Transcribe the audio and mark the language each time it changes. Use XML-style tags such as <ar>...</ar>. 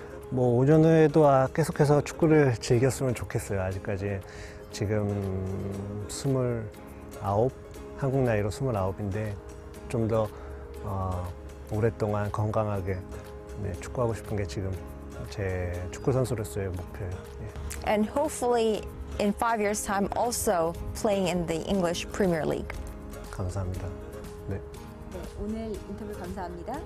<ko>뭐 5년 후에도 계속해서 축구를 즐겼으면 좋겠어요. 아직까지 지금 한국 나이로 29인데 좀더 오랫동안 건강하게 네, 축구하고 싶은 게 지금 제 축구 선수로서의 목표예요.</ko> <en>And hopefully in 5 years' time, also playing in the English Premier League.</en> <ko>감사합니다. 네, 오늘 인터뷰 감사합니다.</ko>